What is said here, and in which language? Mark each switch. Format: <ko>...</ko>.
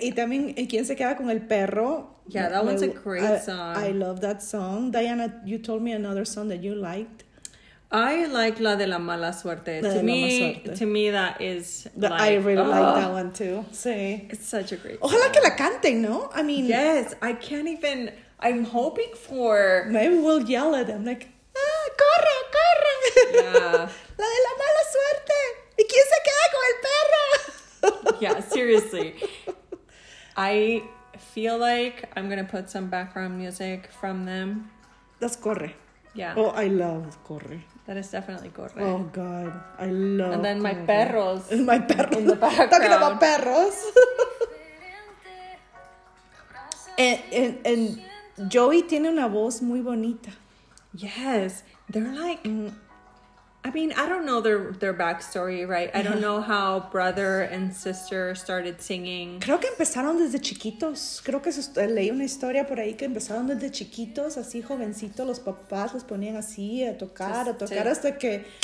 <es>Y también, ¿quién se queda con el perro?</es> <en>Yeah, that one's a great song. I love that song. Diana, you told me another song that you liked. I like La de la Mala Suerte. To me, that is like, I really like that one too. Sí. It's such a great song.</en> <es>Ojalá que la canten, ¿no?</es> <en>I mean... Yes, I can't even... I'm hoping for... Maybe we'll yell at them, like,</en> <es>¡corre, corre!</es> <en>Yeah.</en> <es>¡La de la mala suerte! ¿Y quién se queda con el perro?</es> <en>Yeah, seriously. I feel like I'm going to put some background music from them. That's corre. Yeah. Oh, I love corre. That is definitely corre. Oh, God. I love And then corre. My perros. My perros. In the background. Talking about perros.</en> <es>And Joey tiene una voz muy bonita.</es> <en>Yes. They're like... I mean, I don't know their backstory, right? I don't know how brother and sister started singing.</en> <es>Creo que empezaron desde chiquitos. Creo que leí una historia por ahí que empezaron desde chiquitos, así jovencitos. Los papás los ponían así a tocar hasta que...</es>